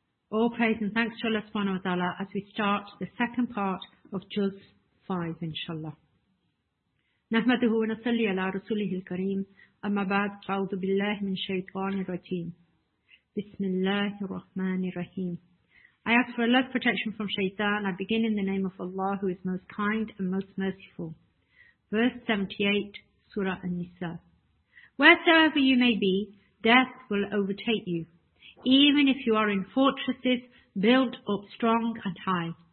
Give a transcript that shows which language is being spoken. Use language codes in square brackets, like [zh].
[en] All praise and thanks to Allah subhanahu wa ta'ala as we start the second part of Juz 5, inshallah. [ar] نحمده ونصلي على رسوله الكريم. أما بعد فأعوذ بالله من الشيطان الرجيم. بسم الله الرحمن الرحيم. [en] I ask for Allah's protection from Shaitan. I begin in the name of Allah, who is most kind and most merciful. Verse 78, Surah An-Nisa. Wheresoever you may be, death will overtake you, even if you are in fortresses built up strong and high.